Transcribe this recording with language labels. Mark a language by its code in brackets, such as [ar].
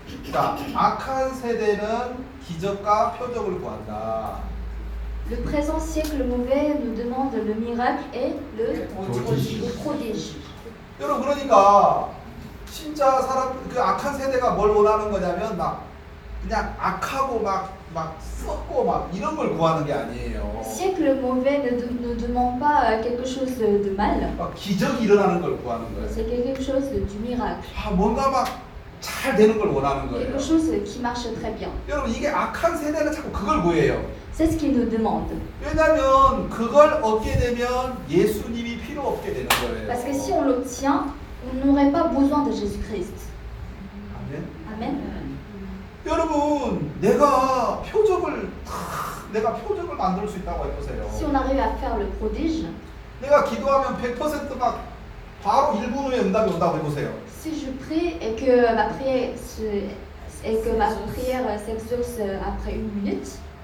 [ko] 자, 악한 세대는 기적과 표적을 구한다. [fr] Le présent siècle mauvais nous demande le miracle et le prodige. [ko] 여러분 그러니까 진짜 사람 그 악한 세대가 뭘 원하는 거냐면 막 그냥 악하고 막 썩고 막 이런 걸 구하는 게 아니에요. [fr] Siècle mauvais ne demande pas quelque chose de mal. [ko] 막 기적이 일어나는 걸 구하는 거예요. [fr] C'est quelque chose du miracle. [ko] 아 뭔가 막 잘 되는 걸 원하는 거예요. [fr] Quelque chose qui marche très bien. [ko] 여러분 이게 악한 세대는 자꾸 그걸 구해요. [fr] C'est ce qu'il nous demande. [ko] 왜냐하면 그걸 얻게 되면 예수님이 필요 없게 되는 거예요. [fr] Parce que si on l'obtient, on n'aurait pas besoin de Jésus-Christ. [ko] 아멘. 아멘. 여러분, 내가 표적을 만들 수 있다고 해보세요. [fr] Si on arrive à faire le prodige. [ko] 내가 기도하면 100% 막 바로 1분 후에 응답이 온다고 해보세요. [fr] Si je prie et que ma prière s'exauce après une minute.